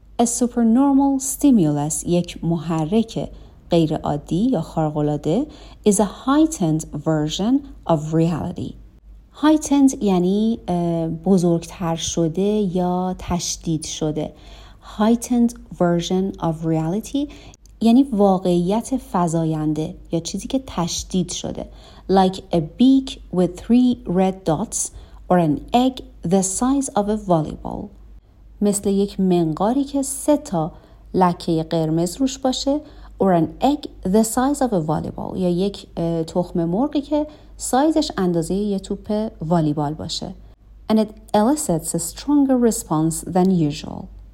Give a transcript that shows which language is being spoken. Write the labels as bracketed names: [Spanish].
[English] A supernormal stimulus [Persian] یک محرک غیر عادی یا خارق‌العاده [English] is a heightened version of reality. [Persian] Heightened یعنی بزرگتر شده یا تشدید شده. [English] Heightened version of reality [Persian] یعنی واقعیت فزاینده یا چیزی که تشدید شده. [English] Like a beak with three red dots or an egg the size of a volleyball. [Persian] مثل یک منقاری که سه تا لکه قرمز روش باشه [English] or an egg the size of a volleyball [Persian] یا یک تخم مرغی که سایزش اندازه یه توپ والیبال باشه. [English] And it elicits a stronger response than usual.